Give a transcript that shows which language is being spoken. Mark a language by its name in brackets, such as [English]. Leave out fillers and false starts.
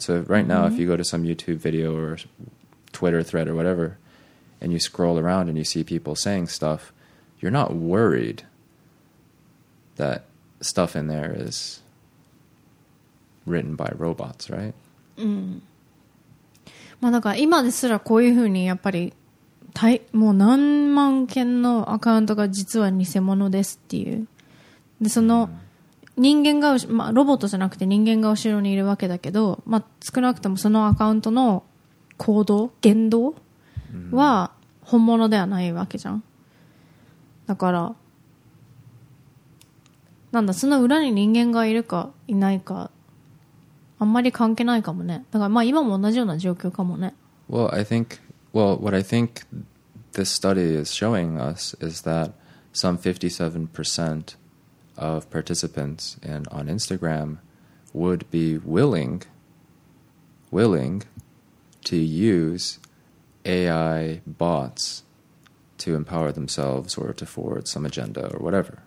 [English] So right now, if you go to some YouTube video or Twitter thread or whatever, and you scroll around and you see people saying stuff, you're not worried that stuff in there is written by robots, right? Mm. [Japanese] まあだから今ですらこういうふうにやっぱりもう何万件のアカウントが実は偽物ですっていう。でその人間が、まあ、ロボットじゃなくて人間が後ろにいるわけだけど、まあ、少なくともそのアカウントの行動言動は本物ではないわけじゃん。だからなんだその裏に人間がいるかいないかあんまり関係ないかもね。だからまあ今も同じような状況かもね。 [English] Well, I think, well, what I think this study is showing us is that some 57%of participants in on Instagram would be willing to use AI bots to empower themselves or to forward some agenda or whatever.